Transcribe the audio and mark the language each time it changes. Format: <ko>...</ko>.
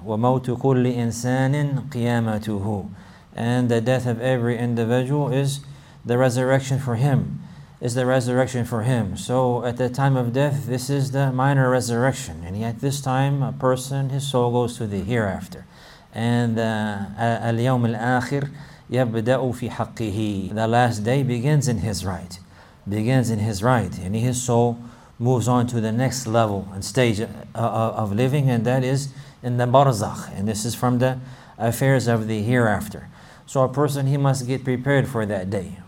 <ar>وَمَوْتُ كُلِّ إِنسَانٍ قِيَامَتُهُ.</ar> <en>And the death of every individual is the resurrection for him. Is the resurrection for him. So at the time of death, this is the minor resurrection. And yet this time, a person, his soul goes to the hereafter.</en> <ar>And الْيَوْمِ الْآخِرِ يَبْدَأُ فِي حَقِّهِ.</ar> <en>The last day begins in his right. Begins in his right. And his soul moves on to the next level and stage of living, and that is in the barzakh. And this is from the affairs of the hereafter. So a person, he must get prepared for that day,</en>